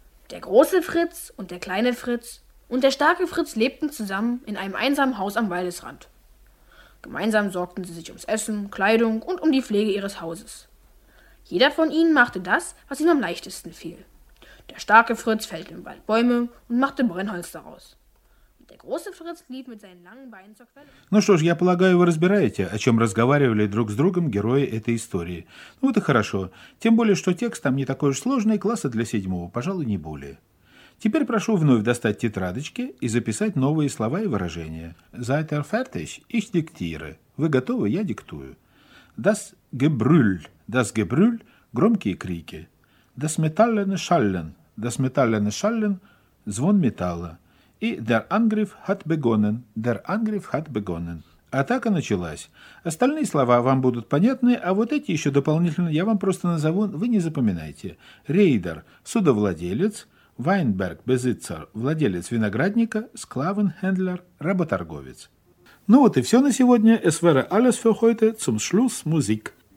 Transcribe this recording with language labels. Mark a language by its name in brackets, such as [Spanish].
[German] Der große Fritz und der kleine Fritz und der starke Fritz lebten zusammen in einem einsamen Haus am Waldesrand. Gemeinsam sorgten sie sich ums Essen, Kleidung und um die Pflege ihres Hauses. Jeder von ihnen machte das, was ihm am leichtesten fiel. Der starke Fritz fällte im Wald Bäume und machte Brennholz daraus. Und der große Fritz lief mit seinen langen Beinen zur Quelle. [Russian] Ну что ж, я полагаю, вы разбираете, о чем разговаривали друг с другом герои этой истории. Ну вот и хорошо. Тем более, что текст там не такой уж сложный, класса для седьмого, пожалуй, не более. Теперь прошу вновь достать тетрадочки и записать новые слова и выражения. [German] Seid ihr fertig? Ich diktiere. [Russian] Вы готовы? Я диктую. [German] Das Gebrüll. Das Gebrüll – [Russian] громкие крики. [German] Das metallene Schallen. Das metallene Schallen – [Russian] звон металла. [German] И der Angriff hat begonnen. Der Angriff hat begonnen. [Russian] Атака началась. Остальные слова вам будут понятны, а вот эти еще дополнительно я вам просто назову, вы не запоминайте. Рейдер – судовладелец. [German] Weinberg – besitzer, [Russian] владелец виноградника, [German] Sklavenhändler – [Russian] работорговец. Ну вот и все на сегодня. [German] Es wäre alles für heute. Zum Schluss Musik.